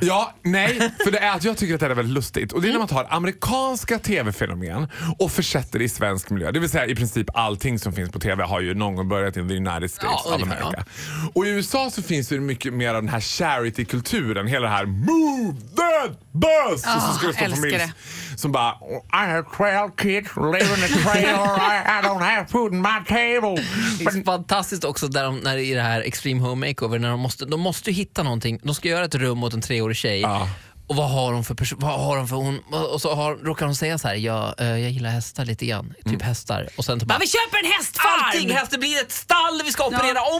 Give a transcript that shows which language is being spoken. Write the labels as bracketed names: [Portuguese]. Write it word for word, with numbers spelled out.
[Swedish] Ja, nej, för det är att jag tycker att det är väldigt lustigt. Och det är när man tar amerikanska tv-fenomen och försätter det i svensk miljö. Det vill säga i princip allting som finns på tv har ju någon gång börjat i the United States ja, of America. Ja. Och i U S A så finns det mycket mer av den här charity-kulturen. Hela det här, [English] move that bus! Oh, [Swedish] och så ska det stå älskar det. Som bara, [English] I have twelve kids live in a trailer, I don't have food on my table. [Swedish] Det är fantastiskt också där de, när det är i det här Extreme Home Makeover, när de måste, de måste hitta någonting. De ska göra ett rum åt en treårig tjej. Ah. Och vad har hon för person? Vad har hon för hon? Och så har, råkar hon säga så här, jag, jag gillar hästar lite grann. Typ mm. hästar. Och sen typ bara, vi köper en hästfarm! Allting häst, det blir ett stall, vi ska operera ja.